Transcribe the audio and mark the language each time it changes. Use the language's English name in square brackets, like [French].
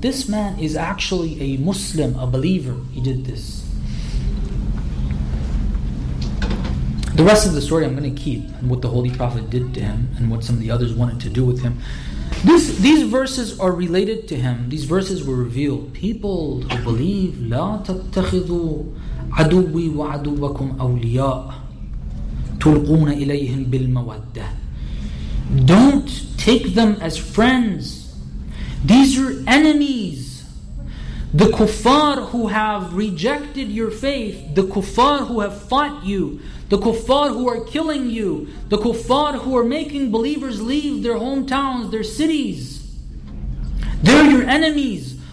[English] This man is actually a Muslim, a believer. He did this. The rest of the story I'm going to keep, and what the Holy Prophet did to him and what some of the others wanted to do with him. These verses are related to him. These verses were revealed. People who believe, [Arabic] لا تتخذوا عدوي وعدوكم أولياء تلقون إليهم بالمودة. [English] Don't take them as friends. These are enemies. The kuffar who have rejected your faith, the kuffar who have fought you, the kuffar who are killing you, the kuffar who are making believers leave their hometowns, their cities, they're your enemies.